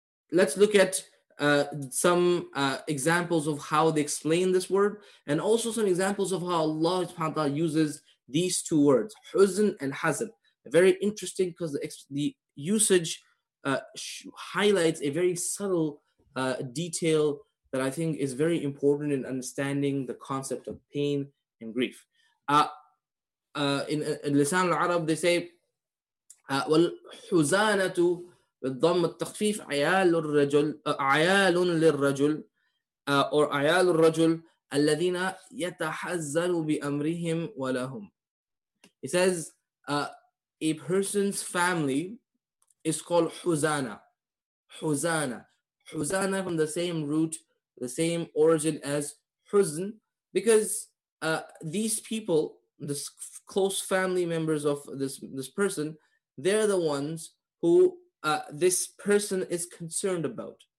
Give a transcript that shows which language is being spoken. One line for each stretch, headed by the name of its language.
English: Let's look at some examples of how they explain this word, and also some examples of how Allah subhanahu wa ta'ala uses these two words, huzn and hazan. Very interesting, because the usage highlights a very subtle detail that I think is very important in understanding the concept of pain and grief. In Lisan al-Arab, they say,
Arabic: وَالْحُزَانَةُ بالضم التخفيف عيال الرجل عيال للرجل
English: or
Arabic: عيال الرجل الذين يتحزنوا بأمرهم ولهم.
English: He says a person's family is called حزانة.
Arabic: حزانة.
English: حزانة from the same root, the same origin as حزن, because these people, this close family members of this person, they're the ones who this person is concerned about.